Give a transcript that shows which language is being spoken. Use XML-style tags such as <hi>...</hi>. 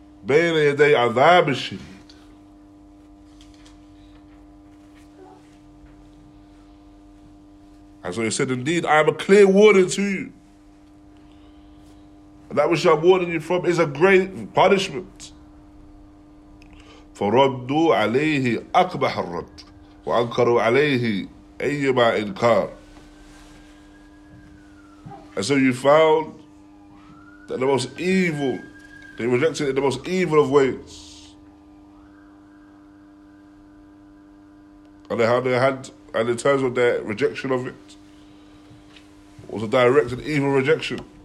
<ar>بين يدي عذاب الشديد.</ar> <en>And so he said, indeed, I am a clear warning to you. And that which I'm warning you from is a great punishment.</en> <ar>فردوا عليه أقبح الرد وأنكروا عليه أيما إنكار.</ar> <en>And so you found that the most evil, they rejected it in the most evil of ways. And they had their hand, and in terms of their rejection of it, was a direct and evil rejection.</en>